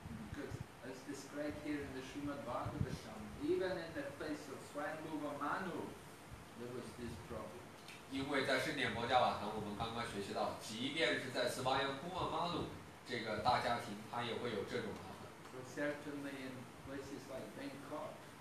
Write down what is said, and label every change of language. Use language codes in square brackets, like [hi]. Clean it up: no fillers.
[en] Because as described here in the Srimad Bhagavatam, even in the place of Swayambhuva Manu, there was this problem. [zh] 因为在圣典摩迦瓦堂，我们刚刚学习到，即便是在斯巴扬库瓦马努这个大家庭，他也会有这种麻烦。 [en] So certainly in places like Bangkok.